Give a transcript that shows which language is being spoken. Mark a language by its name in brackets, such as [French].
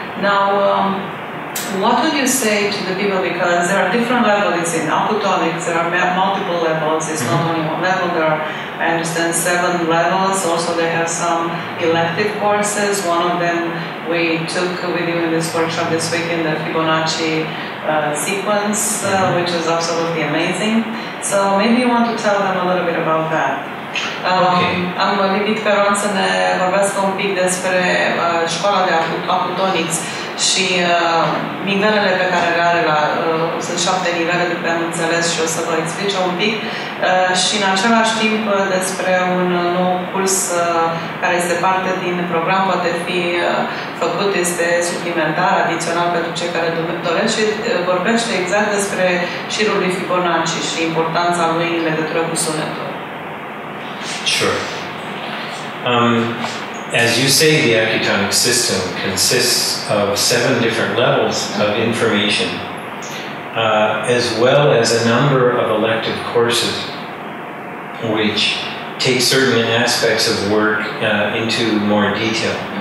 [English] Now, what would you say to the people, because there are different levels in aquatonics, there are multiple levels, it's mm-hmm. not only one level, there are, I understand, seven levels, also they have some elective courses, one of them we took with you in this workshop this week in the Fibonacci sequence, which is absolutely amazing. So maybe you want to tell them a little bit about that. Okay. [Romanian] Am Lidit Feron să ne vorbesc un pic despre școala de aquatonics și nivelele pe care le are, sunt șapte nivele după am înțeles și o să vă explice un pic și în același timp despre un nou curs care este parte din program, poate fi făcut, este suplimentar, adițional pentru cei care doresc și vorbește exact despre șirul lui Fibonacci și importanța lui în legătură cu sunetul. [English] Sure. As you say, the aquatonic system consists of seven different levels of information, as well as a number of elective courses, which take certain aspects of work into more detail.